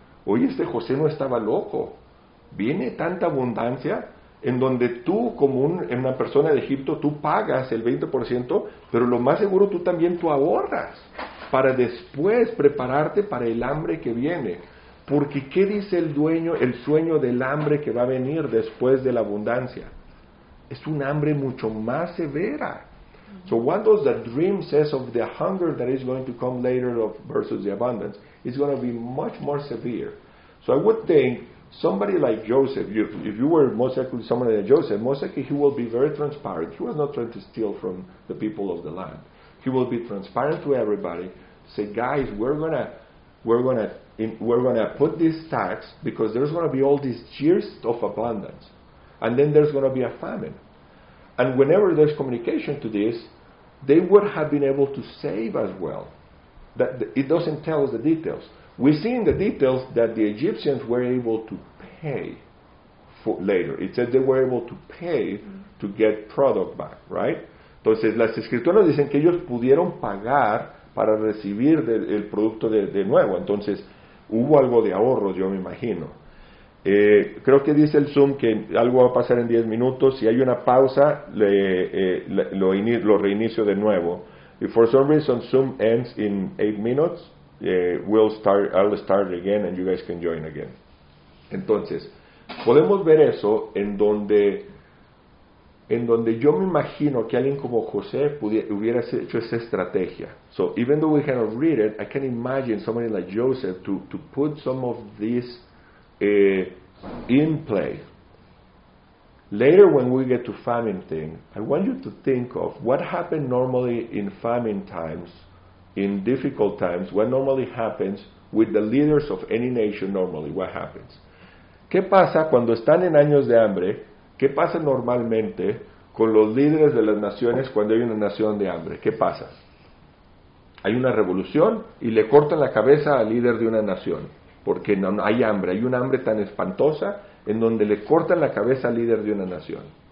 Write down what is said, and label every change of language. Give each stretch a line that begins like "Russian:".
Spanish: Hoy este José no estaba loco. Viene tanta abundancia en donde tú, como una persona de Egipto, tú pagas el 20%, pero lo más seguro tú también tú ahorras para después prepararte para el hambre que viene. Porque ¿qué dice el dueño, el sueño del hambre que va a venir después de la abundancia? Es un hambre mucho más severa.
English: So what does the dream says of the hunger that is going to come later of versus the abundance? It's going to be much more severe. So I would think somebody like Joseph, if you were most likely someone like Joseph, most likely he will be very transparent. He was not trying to steal from the people of the land. He will be transparent to everybody. Say, guys, we're gonna put this tax because there's going to be all these years of abundance, and then there's going to be a famine. And whenever there's communication to this, they would have been able to save as well. That it doesn't tell us the details. We see in the details that the Egyptians were able to pay for later. It says they were able to pay to get product back, right?
Spanish: Entonces, las escrituras dicen que ellos pudieron pagar para recibir el producto de nuevo. Entonces, hubo algo de ahorros, yo me imagino. Creo que dice el Zoom que algo va a pasar en 10 minutos. Si hay una pausa, lo reinicio de nuevo.
English: If for some reason Zoom ends in 8 minutes, I'll start again and you guys can join again.
Spanish: Entonces, podemos ver eso en donde yo me imagino que alguien como José hubiera hecho esa estrategia.
English: So even though we cannot read it, I can imagine somebody like Joseph to put some of this in play. Later, when we get to famine thing, I want you to think of what happened normally in famine times, in difficult times. What normally happens with the leaders of any nation? Normally, what happens?
Spanish: ¿Qué pasa cuando están en años de hambre? ¿Qué pasa normalmente con los líderes de las naciones cuando hay una nación de hambre? ¿Qué pasa? Hay una revolución y le cortan la cabeza al líder de una nación. Porque no, no hay hambre, hay un hambre tan espantosa en donde le cortan la cabeza al líder de una nación.